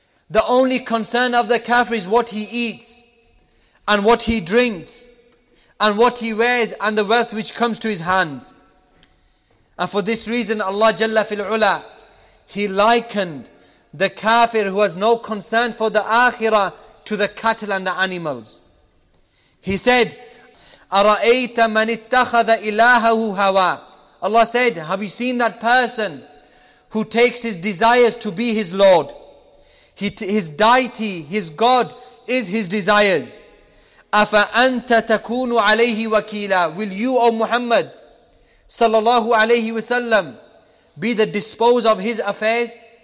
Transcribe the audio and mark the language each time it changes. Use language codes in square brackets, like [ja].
[en] The only concern of the kafir is what he eats, and what he drinks, and what he wears, and the wealth which comes to his hands. And for this reason, Allah Jalla fil Ula, he likened the kafir who has no concern for the akhirah to the cattle and the animals. He said, [ar] أَرَأَيْتَ مَنِ اتَّخَذَ إِلَاهَهُ هَوَى. [en] Allah said, have you seen that person who takes his desires to be his Lord? His deity, his God, is his desires. [ar] أَفَأَنْتَ تَكُونُ عَلَيْهِ وَكِيلًا. [en] Will you, O Muhammad, sallallahu alayhi wa sallam, be the disposer of his affairs?